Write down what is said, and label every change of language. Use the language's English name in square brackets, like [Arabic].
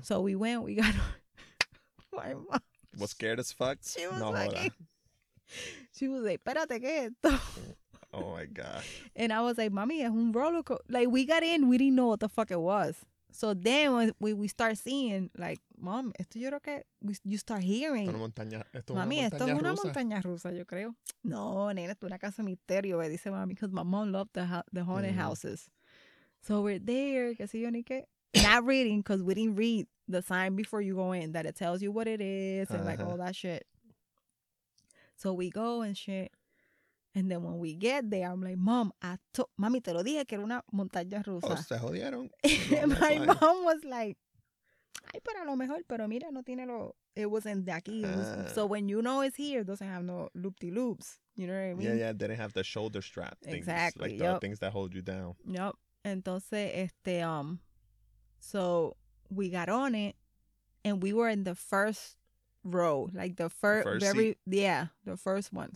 [English] So we went, we got my mom. Was scared as fuck? She was no, like, she was like, [Spanish] espérate, ¿qué esto? [English] Oh my God. And I was like, [Spanish] mami, es un roller coaster. [English] Like, we got in, we didn't know what the fuck it was. So then when we start seeing, like, mom, [Spanish] esto yo creo que, [English] you start hearing. [Spanish] Esto es una montaña rusa, yo creo. No, nena, es una casa misterio, dice mami, [English] because my mom loved the haunted houses. So we're there, [Spanish] que si yo ni que. [English] Not reading, because we didn't read the sign before you go in, that it tells you what it is, and like all that shit. So we go and shit. And then when we get there, I'm like, mom, [Spanish] mami, te lo dije que era una montaña rusa. Oh, se jodieron. [English] My mom was like, [Spanish] ay, pero a lo mejor, pero mira, no tiene lo, [English] it wasn't [Spanish] de aquí. [English] So when you know it's here, it doesn't have no loop-de-loops. You know what I mean? Yeah, they didn't have the shoulder strap things. Exactly. Like yep. The things that hold you down. Yep. [Spanish] Entonces, [English] so we got on it and we were in the first row, like the the first one.